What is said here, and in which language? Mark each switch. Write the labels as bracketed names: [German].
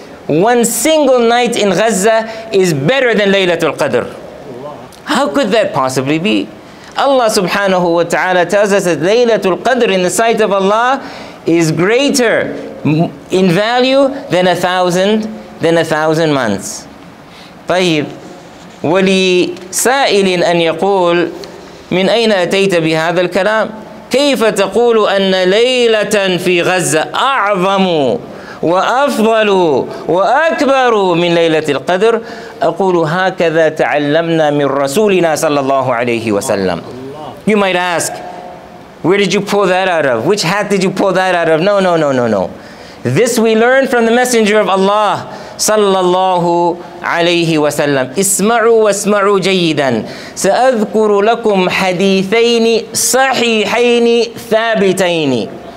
[English] One single night in Gaza is better than Laylatul Qadr. How could that possibly be? Allah subhanahu wa ta'ala tells us that Laylatul Qadr in the sight of Allah is greater in value than a thousand months. [Arabic] طيب ولسائل أن يقول من أين أتيت بهذا الكلام؟ كيف تقول أن ليلة في غزة أعظم وأفضل وأكبر من ليلة القدر؟ أقول هكذا تعلمنا من رسولنا صلى الله عليه وسلم. [English] You might ask, where did you pull that out of? Which hat did you pull that out of? No. This we learn from the Messenger of Allah صلى الله عليه وسلم. [Arabic] اسمعوا واسمعوا جيدا. سأذكر لكم حديثين صحيحين ثابتين.